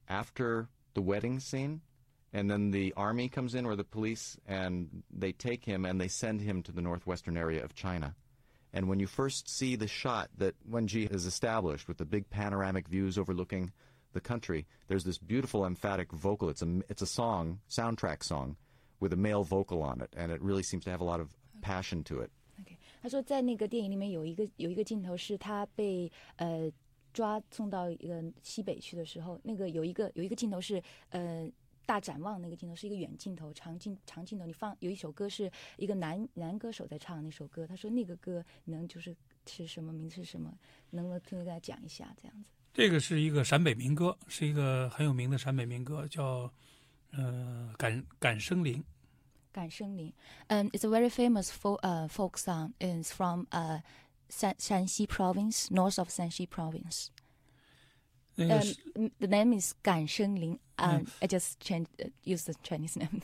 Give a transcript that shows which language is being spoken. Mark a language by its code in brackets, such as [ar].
[en] After the wedding scene, and then the army comes in, or the police, and they take him and they send him to the northwestern area of China. And when you first see the shot that Wenji has established with the big panoramic views overlooking the country, there's this beautiful emphatic vocal. It's a song, soundtrack song, with a male vocal on it, and it really seems to have a lot of passion to it. Okay. [zh] 他说在那个电影里面有一个镜头是他被 抓送到一个西北去的时候，那个有一个镜头是，大展望那个镜头是一个远镜头，长镜头。你放有一首歌是一个男歌手在唱那首歌，他说那个歌能就是什么名字是什么，能不能听给大家讲一下这样子？这个是一个陕北民歌，是一个很有名的陕北民歌，叫《感生灵》。感生灵， [en] it's a very famous folk song. It's from Shanxi province, north of Shanxi province. The name is 感生灵, I just used the Chinese name.